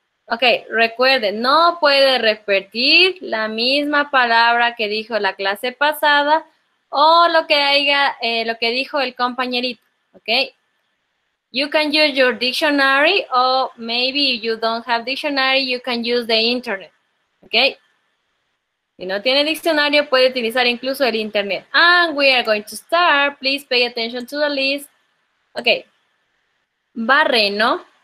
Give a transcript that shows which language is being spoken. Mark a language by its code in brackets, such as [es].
[es] Ok, recuerde, no puede repetir la misma palabra que dijo la clase pasada o lo que haya, lo que dijo el compañerito. Ok. [en] You can use your dictionary, or maybe if you don't have dictionary, you can use the internet. Ok. [es] Si no tiene diccionario, puede utilizar incluso el internet. [en] And we are going to start. Please pay attention to the list. Ok. Barre, ¿no?